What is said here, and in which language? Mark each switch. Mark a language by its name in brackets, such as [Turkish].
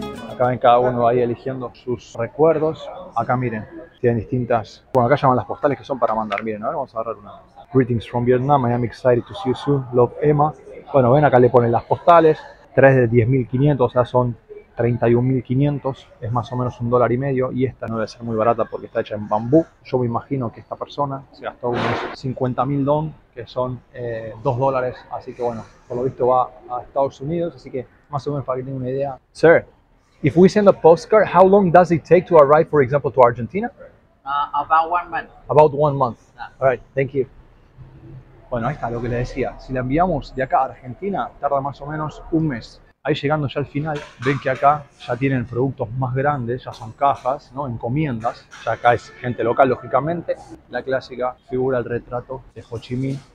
[Spanish] Acá ven cada uno ahí eligiendo sus recuerdos. Acá miren, tienen distintas... Bueno, acá llaman las postales que son para mandar. Miren, a ver, vamos a agarrar una. Greetings from Vietnam, I am excited to see you soon, love Emma. Bueno, ven, acá le ponen las postales. 3 de 10.500, o sea, son 31.500. Es más o menos un dólar y medio. Y esta no debe ser muy barata porque está hecha en bambú. Yo me imagino que esta persona se gastó unos 50.000 dong, que son 2 dólares. Así que bueno, por lo visto va a Estados Unidos. Así que más o menos para que tengan una idea. [English] Sir. If we send a postcard, how long does it take to arrive, for example, to Argentina? About 1 month. About 1 month. Yeah. All right, thank you. [Spanish] Bueno, ahí está lo que le decía. Si la enviamos de acá a Argentina, tarda más o menos un mes. Ahí llegando ya al final, ven que acá ya tienen productos más grandes, ya son cajas, ¿no? Encomiendas. Ya acá es gente local, lógicamente. La clásica figura, el retrato de Ho Chi Minh.